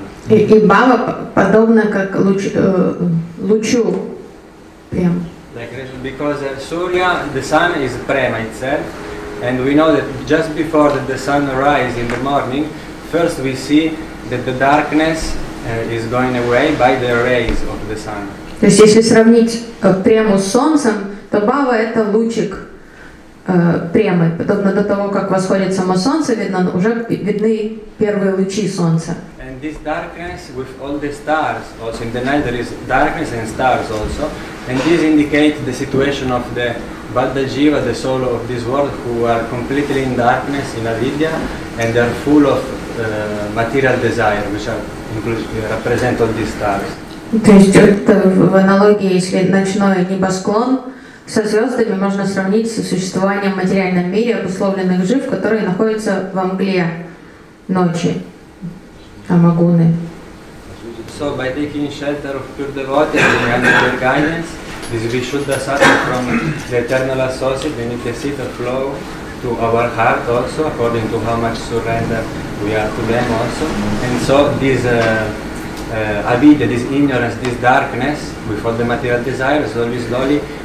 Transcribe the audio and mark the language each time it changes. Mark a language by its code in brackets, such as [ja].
[ru] И бхава подобно как лучу прем. [en] Because Surya, the sun is prema itself, and we know that just before that the sun rises in the morning, first we see that the darkness is going away by the rays of the sun. [ru] То есть если сравнить прему с солнцем, то бхава — это лучик. Премы. Подобно до того, как восходит само солнце, видно, уже видны первые лучи солнца. [en] And this darkness with all the stars, also in the night there is darkness and stars also, and this indicates the situation of the Baddha Jiva, the soul of this world, who are completely in darkness, in avidya, and they are full of material desire, which are represent all these stars. [ru] То есть это в аналогии, если ночной небосклон, со звездами можно сравнить с существованием в материальном мире обусловленных жив, которые находятся во мгле ночи, амагуны. [en] So by taking shelter of pure devotees and under their guidance, this Vishuddhasattva from the eternal associate, we need to see the flow to our heart also, according to how much surrender we are to them also. And so this avidya, this ignorance, this darkness, with all the material desires, slowly, slowly,